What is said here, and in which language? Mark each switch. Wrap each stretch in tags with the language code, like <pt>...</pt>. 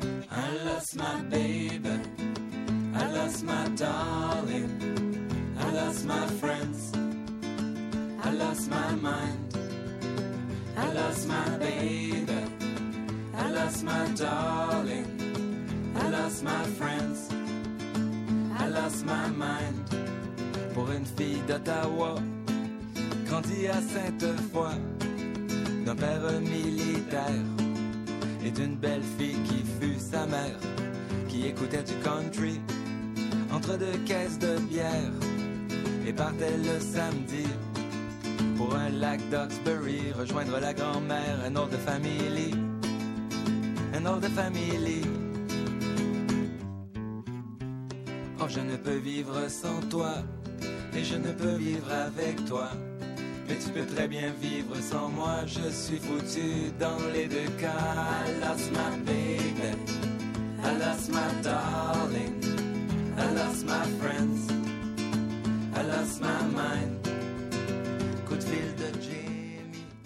<en>I lost my baby, I lost my darling, I lost my friends, I lost my mind. I lost my baby, I lost my darling, I lost my friends, I lost my mind.</en> <fr>Pour une fille d'Ottawa, grandie à Sainte-Foy, d'un père militaire, et d'une belle fille qui fut sa mère, qui qui écoutait du country entre deux caisses de bière et partait le samedi pour un lac d'Oxbury rejoindre la grand-mère, un autre de family, un autre de family. Oh, je ne peux vivre sans toi et je ne peux vivre avec toi, mais tu peux très bien vivre sans moi. Je suis foutu dans les deux cas.</fr> <en>I lost my baby, I lost my darling, I lost my friends, I lost my mind.</en> <fr>Coup de fil de Jimmy.</fr>